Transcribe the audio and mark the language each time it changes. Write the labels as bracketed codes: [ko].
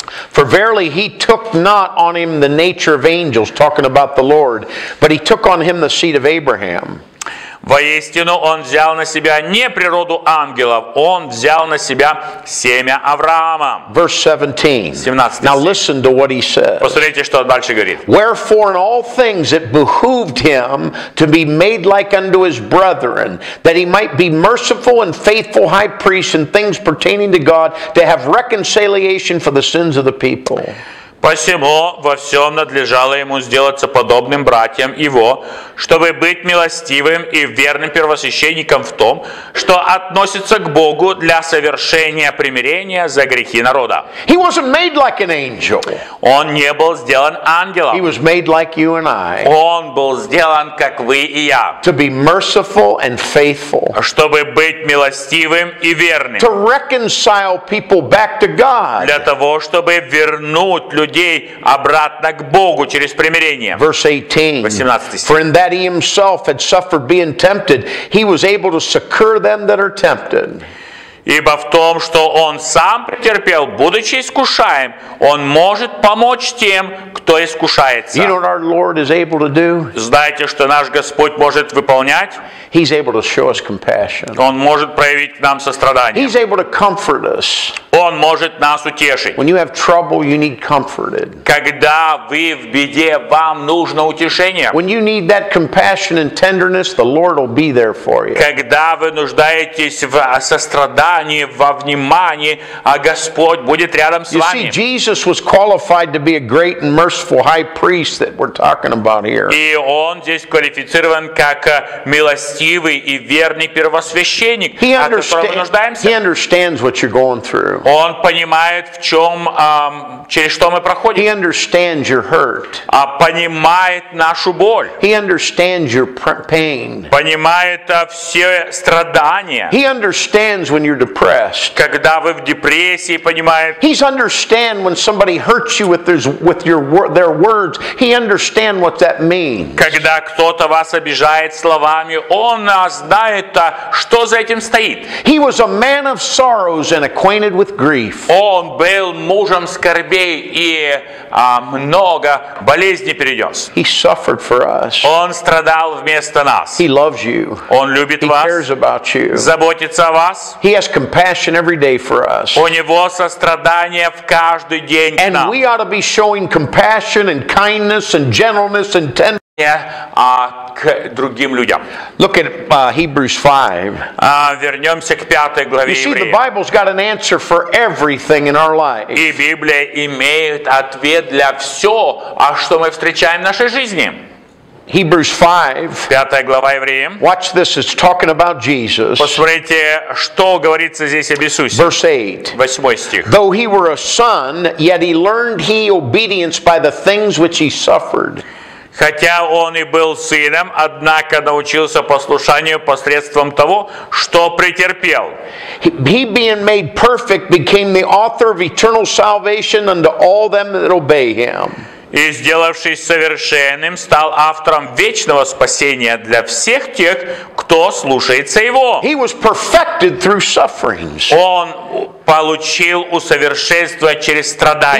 [en] For verily he took not on him the nature of angels, talking about the Lord, but he took on him the seed of Abraham. [ru] Воистину он взял на себя не природу ангелов, он взял на себя семя Авраама. [en] Verse 17. Now listen to what he said. [ru] Посмотрите, что дальше говорит. [en] Wherefore in all things it behooved him to be made like unto his brethren, that he might be merciful and faithful high priest in things pertaining to God, to have reconciliation for the sins of the people. [ru] Посему во всем надлежало ему сделаться подобным братьям его, чтобы быть милостивым и верным первосвященником в том, что относится к Богу для совершения примирения за грехи народа. [en] He wasn't made like an angel. [ru] Он не был сделан ангелом. [en] He was made like you and I. [ru] Он был сделан, как вы и я. [en] To be merciful and faithful. [ru] Чтобы быть милостивым и верным. [en] To reconcile people back to God. [ru] Для того, чтобы вернуть людей обратно к Богу через примирение. [en] Verse 18. For in that he himself had suffered being tempted, he was able to succor them that are tempted. [ru] Ибо в том, что он сам претерпел, будучи искушаем, он может помочь тем, кто искушается. [en] You know what our Lord is able to do? [ru] Знаете, что наш Господь может выполнять? [en] He's able to show us compassion. [ru] Он может проявить нам сострадание. [en] He's able to comfort us. [ru] Он может нас утешить. [en] When you have trouble, you need comforted. [ru] Когда вы в беде, вам нужно утешение. [en] When you need that compassion and tenderness, the Lord will be there for you. [ru] Когда вы нуждаетесь в сострадании, во внимании, а Господь будет рядом с вами. [en] You see, Jesus was qualified to be a great and merciful high priest that we're talking about here. [ru] И он здесь квалифицирован как милостивый и верный первосвященник, о котором мы нуждаемся. [en] He understands what you're going through. [ru] Он понимает, в чем, через что мы проходим. [en] He understands your hurt. [ru] Понимает нашу боль. [en] He understands your pain. [ru] Понимает все страдания. [en] He understands when you're depressed. [ru] Когда вы в депрессии, понимает. [en] He understands when somebody hurts you with their words. He understands what that means. [ru] Когда кто-то вас обижает словами, он знает, что за этим стоит. [en] He was a man of sorrows and acquainted with grief. [ru] Он был мужем скорбей и много болезней перенес. [en] He suffered for us. [ru] Он страдал вместо нас. [en] He loves you. [ru] Он любит вас. [en] He cares about you. [ru] Заботится о вас. [en] He has compassion every day for us. [ru] У него сострадание в каждый день к нам. [en] And we ought to be showing compassion and kindness and gentleness and tenderness [ru] к другим людям. [en] Look at Hebrews 5. [ru] Вернемся к пятой главе Евреев. [en] You see, the Bible's got an answer for everything in our life. [ru] И Библия имеет ответ для все, а что мы встречаем в нашей жизни. [en] Hebrews 5. [ru] Пятая глава Евреям. [en] Watch this, it's talking about Jesus. [ru] Посмотрите, что говорится здесь об Иисусе. [en] Verse 8. [ru] Восьмой стих. [en] Though he were a son, yet he learned he obedience by the things which he suffered. [ru] Хотя он и был сыном, однако научился послушанию посредством того, что претерпел. [en] He being made perfect became the author of eternal salvation unto all them that obey him. [ru] И сделавшись совершенным, стал автором вечного спасения для всех тех, кто слушается его. [en] He was perfected through sufferings. [ru] Он получил усовершенствование через страдания.